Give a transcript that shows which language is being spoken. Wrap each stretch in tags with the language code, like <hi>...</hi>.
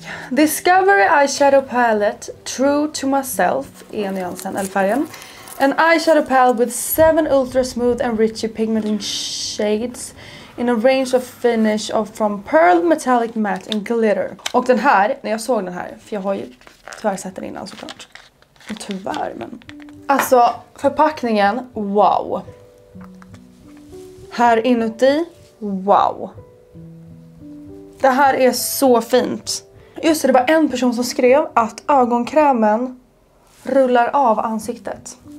<sv>Discovery Eyeshadow Palette True to Myself är nyansen, eller färgen.</sv> <en>An eyeshadow palette with 7 ultra smooth and rich pigmenting shades in a range of finish of from pearl, metallic matte and glitter.</en> <sv>Och den här, när jag såg den här, för jag har ju tyvärr sett den innan såklart. Tyvärr, men... Alltså, förpackningen, wow. Här inuti, wow. Det här är så fint. Just det, det var en person som skrev att ögonkrämen rullar av ansiktet.</sv>